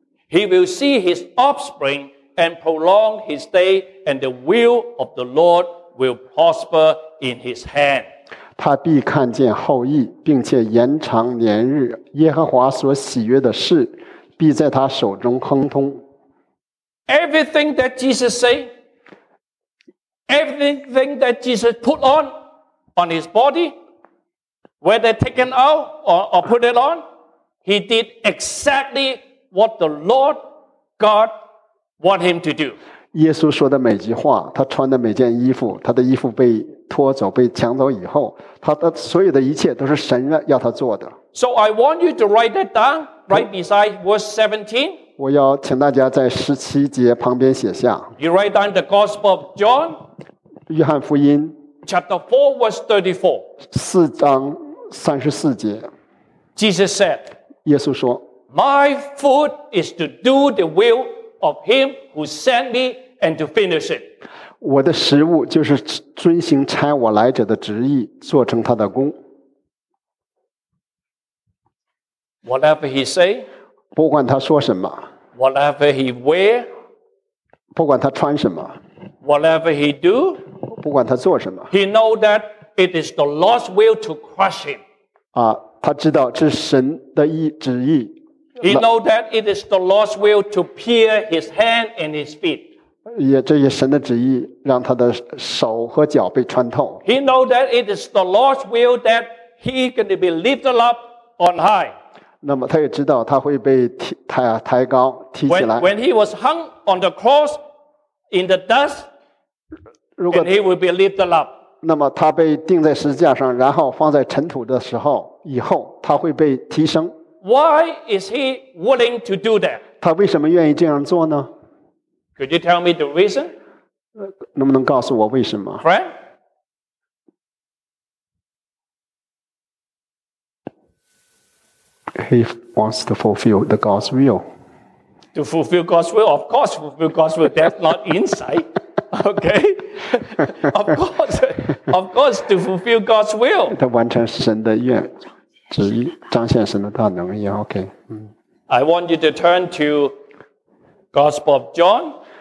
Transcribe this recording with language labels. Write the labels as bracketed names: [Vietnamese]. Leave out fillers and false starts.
[English] He will see his offspring and prolong his day, and the will of the Lord will prosper in his hand. [Chinese] 他必看见后裔，并且延长年日。耶和华所喜悦的事，必在他手中亨通。 [English] Everything that Jesus say, everything that Jesus put on his body, whether taken out or put it on, he did exactly what the Lord God want him to do. [Chinese] 耶稣说的每句话，他穿的每件衣服，他的衣服被脱走，被抢走以后，他的所有的一切都是神要他做的。 [English] So I want you to write that down right beside verse 17. [Chinese] 我要请大家在十七节旁边写下。 [English] You write down the Gospel of John. [Chinese] 约翰福音。 [English] Chapter 4, verse 34. [Chinese] 四章三十四节。 [English] Jesus said. [Chinese] 耶稣说。 [English] My food is to do the will of him who sent me and to finish it. [Chinese] 我的食物就是遵行差我来者的旨意，做成他的功。 [English] Whatever he say, [Chinese] 不管他说什么。 [English] Whatever he wear, [Chinese] 不管他穿什么。 [English] Whatever he do, [Chinese] 不管他做什么。 [English] He know that it is the Lord's will to crush him. [Chinese] 他知道这是神的旨意。 [English] He know that it is the Lord's will to pierce his hand and his feet. [Chinese] 这也是神的旨意，让他的手和脚被穿透。 [English] He know that it is the Lord's will that he can be lifted up on high. [Chinese] 那么他也知道他会被抬高，提起来。 [English] When he was hung on the cross in the dust, and he will be lifted up. [Chinese] 那么他被钉在十字架上，然后放在尘土的时候，以后他会被提升。 [English] Why is he willing to do that? [Chinese] 他为什么愿意这样做呢？ [English] Could you tell me the reason? [Chinese] 能不能告诉我为什么？ [English] Friend? He wants to fulfill the God's will. To fulfill God's will? Of course, fulfill God's will. That's not insight. Okay? Of course, to fulfill God's will. [Chinese] 他完成神的愿。只彰显神的大能也 OK。 [English] I want you to turn to Gospel of John.